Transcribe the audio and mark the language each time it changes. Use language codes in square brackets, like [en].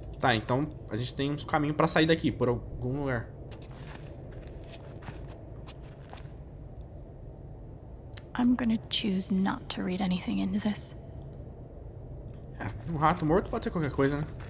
[pt] Tá, então a gente tem um caminho pra sair daqui, por algum lugar. [en] I'm gonna choose not to read anything into this. [pt] Um rato morto pode ser qualquer coisa, né?